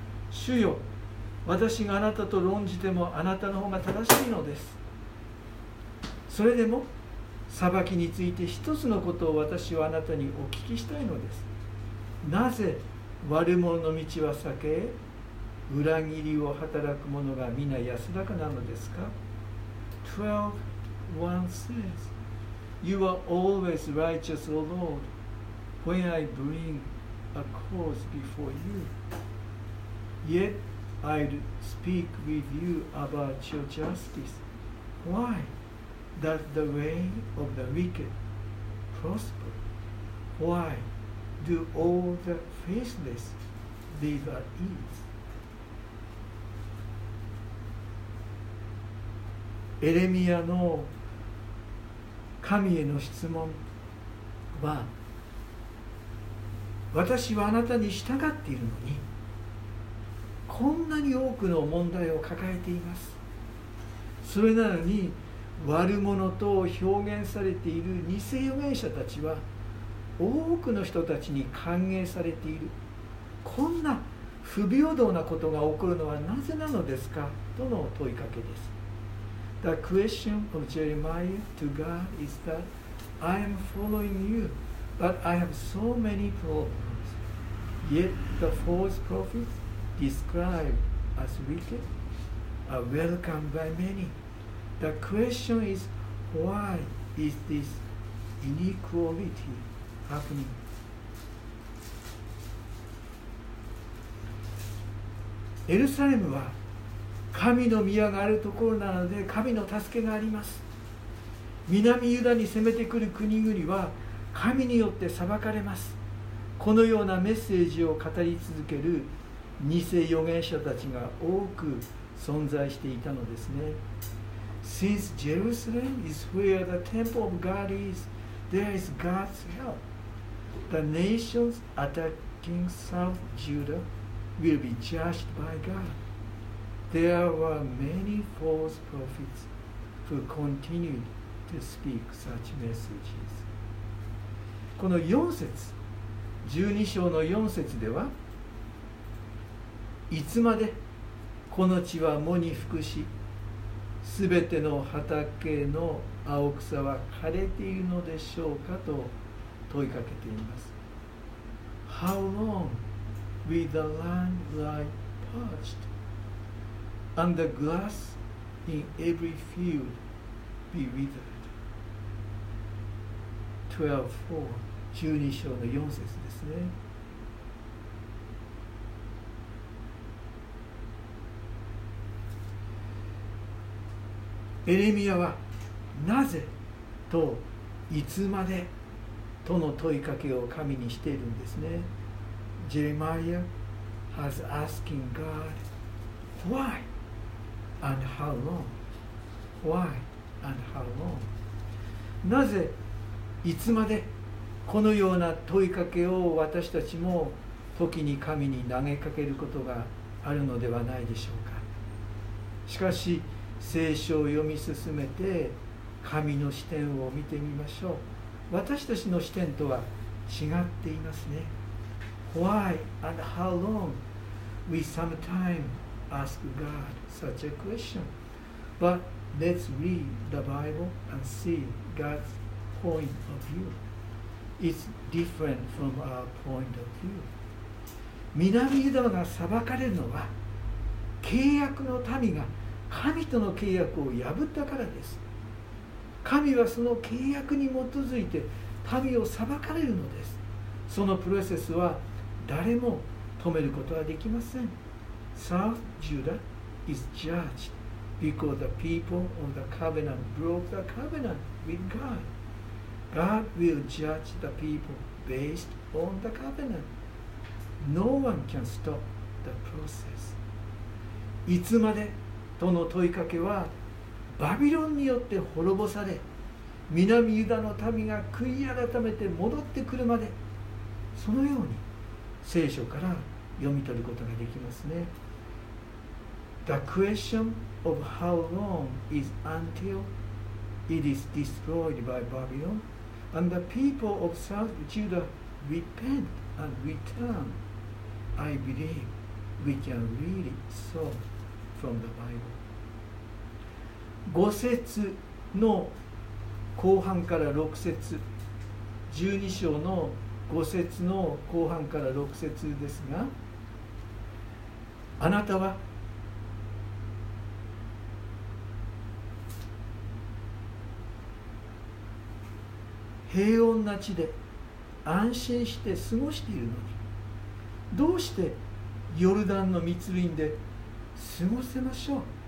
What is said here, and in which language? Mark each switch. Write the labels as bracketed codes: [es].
[ja] 主よ、私があなたと論じてもあなたの方が正しいのです。それでも裁きについて一つのことを私はあなたにお聞きしたいのです。なぜ悪者の道は避け、裏切りを働く者が皆安らかなのですか。 [en] 12:1 says, You are always righteous, O Lord, when I bring a cause before you. Yet I'd speak with you about your justice. Why does the way of the wicked prosper? Why do all the faithless live at ease? [ja] エレミアの神への質問は、私はあなたに従っているのに、こんなに多くの問題を抱えています。それなのに、悪者と表現されている偽預言者たちは、多くの人たちに歓迎されている。こんな不平等なことが起こるのはなぜなのですか? との問いかけです。 [en] The question of Jeremiah to God is that I am following you, but I have so many problems. Yet the false prophets, described as wicked, are welcomed by many. The question is, why is this inequality happening? [ja] エルサレムは神の宮があるところなので神の助けがあります。南ユダに攻めてくる国々は神によって裁かれます。このようなメッセージを語り続ける偽預言者たちが多く存在していたのですね。 [en] Since Jerusalem is where the temple of God is, there is God's help. The nations attacking South JudahWill be judged by God. There were many false prophets who continued to speak such messages. [ja] この4節、12章の4節では、いつまでこの地は藻に服し、すべての畑の青草は枯れているのでしょうかと問いかけています。 [en] How long? With the land lie parched, and the grass in every field be withered. [ja] 12:4, 12章の4節ですね。エレミアはなぜといつまでとの問いかけを神にしているんですね。 [en] Jeremiah has asking God, why and how long? Why and how long? [ja] なぜいつまでこのような問いかけを私たちも時に神に投げかけることがあるのではないでしょうか。しかし聖書を読み進めて神の視点を見てみましょう。私たちの視点とは違っていますね。 [en] Why and how long we sometimes ask God such a question. But let's read the Bible and see God's point of view. It's different from our point of view. [ja] 南ユダが裁かれるのは契約の民が神との契約を破ったからです。神はその契約に基づいて民を裁かれるのです。そのプロセスは誰も止めることはできません。 [en] South Judah is judged because the people of the covenant broke the covenant with God. God will judge the people based on the covenant. No one can stop the process. [ja] いつまでとの問いかけはバビロンによって滅ぼされ南ユダの民が悔い改めて戻ってくるまで、そのように聖書から読み取ることができますね。 [en] The question of how long is until it is destroyed by Babylon and the people of South Judah repent and return, I believe we can read it so from the Bible. [ja] 五節の後半から六節、十二章の五節の後半から六節ですが、あなたは平穏な地で安心して過ごしているのに、どうしてヨルダンの密林で過ごせましょう。